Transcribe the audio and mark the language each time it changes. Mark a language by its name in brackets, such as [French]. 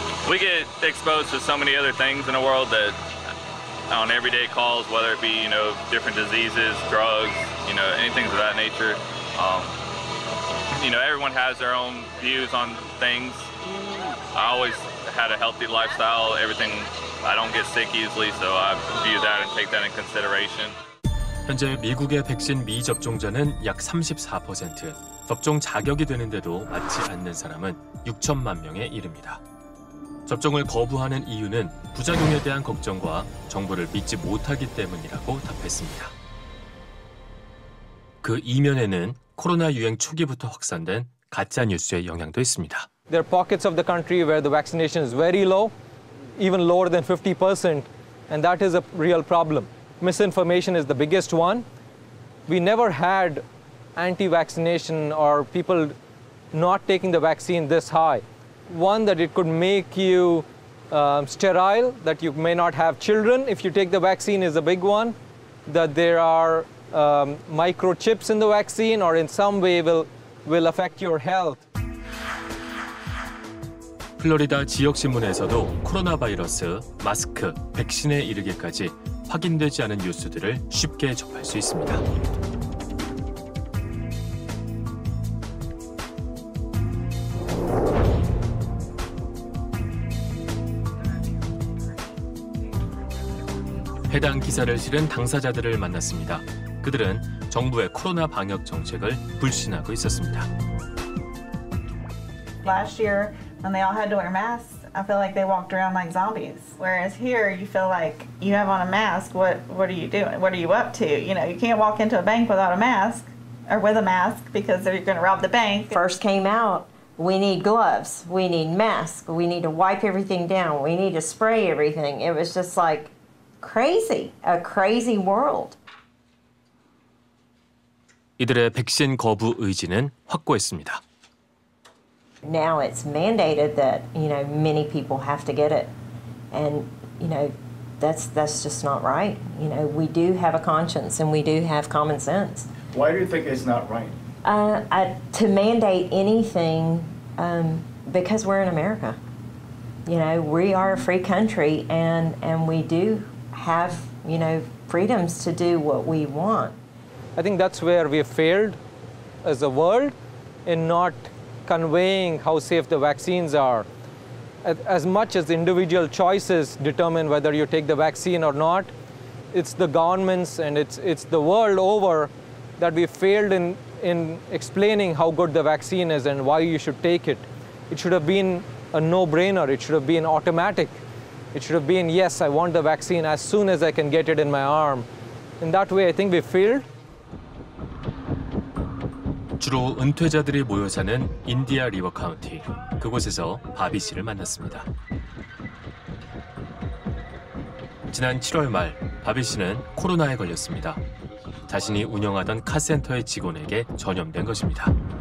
[English] We get exposed to so many other things in the world that. On everyday calls, whether it be, you know, different diseases, drugs, you know, anything of that nature. You know, everyone has their own views on things. I always had a healthy lifestyle, everything, I don't get sick easily, so I view that and take that in consideration. [Korean] 현재 미국의 백신 미접종자는 약 34%, 접종 자격이 되는데도 맞지 않는 사람은 6천만 명에 이릅니다. 접종을 거부하는 이유는 부작용에 대한 걱정과 정부를 믿지 못하기 때문이라고 답했습니다. 그 이면에는 코로나 유행 초기부터 확산된 가짜 뉴스의 영향도 있습니다. [English] There are pockets of the country where the vaccination is very low, even lower than 50%, and that is a real problem. Misinformation is the biggest one. We never had anti-vaccination or people not taking the vaccine this high. One, that it could make you sterile, that you may not have children if you take the vaccine is a big one. That there are microchips in the vaccine or in some way will affect your health. [Korean] 플로리다 지역 신문에서도 코로나 바이러스, 마스크, 백신에 이르기까지 확인되지 않은 뉴스들을 쉽게 접할 수 있습니다. 해당 기사를 실은 당사자들을 만났습니다. 그들은 정부의 코로나 방역 정책을 불신하고 있었습니다. [English] Last year, when they all had to wear masks, I feel like they walked around like zombies. Whereas here, you feel like you have on a mask. What are you doing? What are you up to? You know, you can't walk into a bank without a mask or with a mask because you're going to rob the bank. First came out, we need gloves, we need masks, we need to wipe everything down, we need to spray everything. It was just like crazy, a crazy world. [Korean] 이들의 백신 거부 의지는 확고했습니다. [English] Now it's mandated that, you know, many people have to get it. And, you know, that's just not right. You know, we do have a conscience and we do have common sense. Why do you think it's not right? To mandate anything because we're in America. You know, we are a free country and we do have, you know, freedoms to do what we want. I think that's where we have failed as a world in not conveying how safe the vaccines are. As much as individual choices determine whether you take the vaccine or not, it's the governments and it's the world over that we failed in explaining how good the vaccine is and why you should take it. It should have been a no-brainer. It should have been automatic. It should have been, yes, I want the vaccine as soon as I can get it in my arm. In that way, I think we failed. [Korean] 주로 은퇴자들이 모여 사는 인디아 리버 카운티. 그곳에서 바비 씨를 만났습니다. 지난 7월 말 바비 씨는 코로나에 걸렸습니다. 자신이 운영하던 카센터의 직원에게 전염된 것입니다.